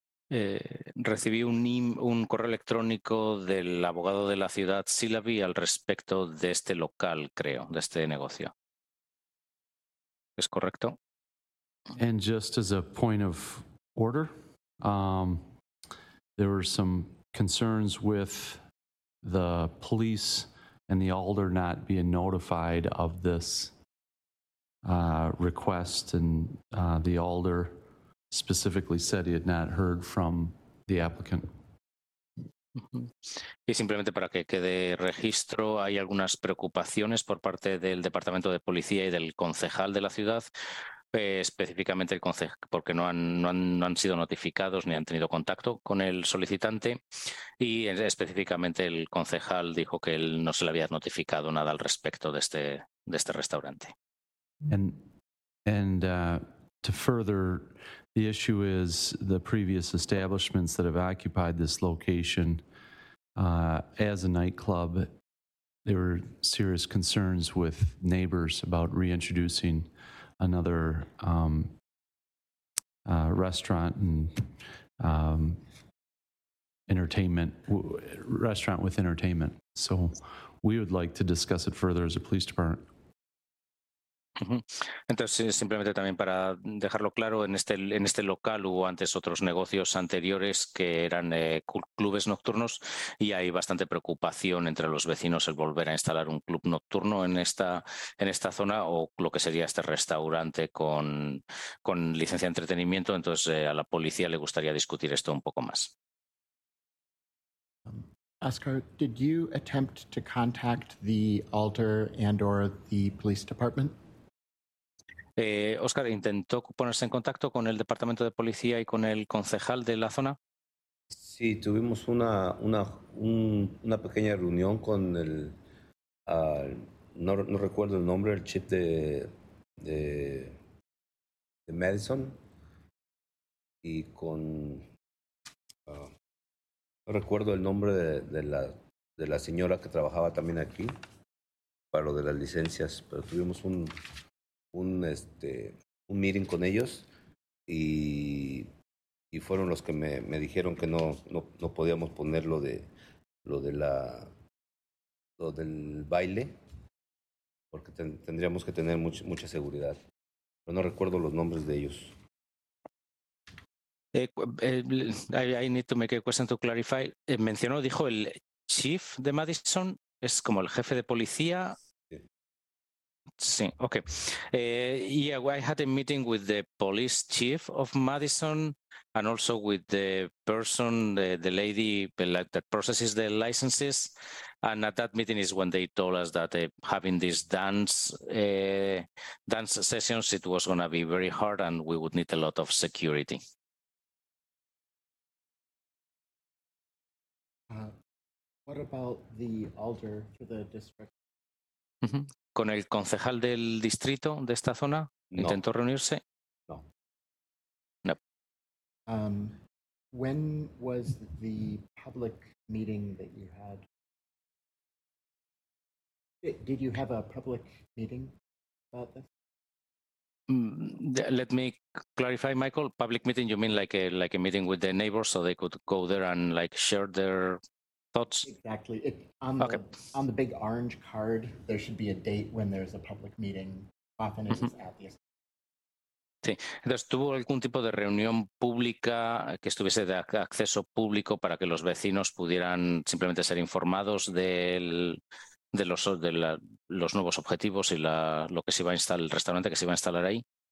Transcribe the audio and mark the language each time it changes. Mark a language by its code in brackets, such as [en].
[es] Recibí un correo electrónico del abogado de la ciudad, Zilovy, al respecto de este local, creo, de este negocio. ¿Es correcto? [en] And just as a point of order, there were some concerns with the police and the alder not being notified of this request, and the alder specifically said he had not heard from the applicant. [es] Y simplemente para que quede registro, hay algunas preocupaciones por parte del Departamento de Policía y del concejal de la ciudad. Específicamente el concejal, porque no han sido notificados ni han tenido contacto con el solicitante, y específicamente el concejal dijo que él no se le había notificado nada al respecto de este restaurante. [en] And to further, the issue is the previous establishments that have occupied this location as a nightclub, there were serious concerns with neighbors about reintroducing another restaurant and entertainment restaurant with entertainment. So we would like to discuss it further as a police department. [es] Entonces, simplemente también para dejarlo claro, en este local hubo antes otros negocios anteriores que eran clubes nocturnos, y hay bastante preocupación entre los vecinos el volver a instalar un club nocturno en esta zona, o lo que sería este restaurante con licencia de entretenimiento. Entonces, a la policía le gustaría discutir esto un poco más. [en] Oscar, did you attempt to contact the alder and or the police department? [es] Oscar, ¿intentó ponerse en contacto con el Departamento de Policía y con el concejal de la zona? Sí, tuvimos una pequeña reunión con el, no recuerdo el nombre, el chief de Madison, y con, no recuerdo el nombre de la señora que trabajaba también aquí, para lo de las licencias, pero tuvimos un meeting con ellos, y fueron los que me dijeron que no podíamos poner lo del baile, porque tendríamos que tener mucha seguridad, pero no recuerdo los nombres de ellos. [en] I need to make a question to clarify. [es] Mencionó, dijo el chief de Madison, es como el jefe de policía. Sí, [en] okay. Yeah, I had a meeting with the police chief of Madison and also with the person, the lady like, that processes the licenses. And at that meeting is when they told us that having these dance sessions, it was going to be very hard and we would need a lot of security. What about the alder for the district? [es] ¿Con el concejal del distrito de esta zona? No. ¿Intentó reunirse? No. No. [en] When was the public meeting that you had? Did you have a public meeting about this? Let me clarify, Michael. Public meeting, you mean like a meeting with the neighbors so they could go there and like share their thoughts? Exactly. On the big orange card, there should be a date when there's a public meeting. Often it's at the [es] Sí. Entonces, ¿tuvo algún tipo de reunión pública que estuviese de acceso público para que los vecinos pudieran simplemente ser informados de los nuevos objetivos y lo que se iba a instalar, el restaurante que se iba a instalar ahí?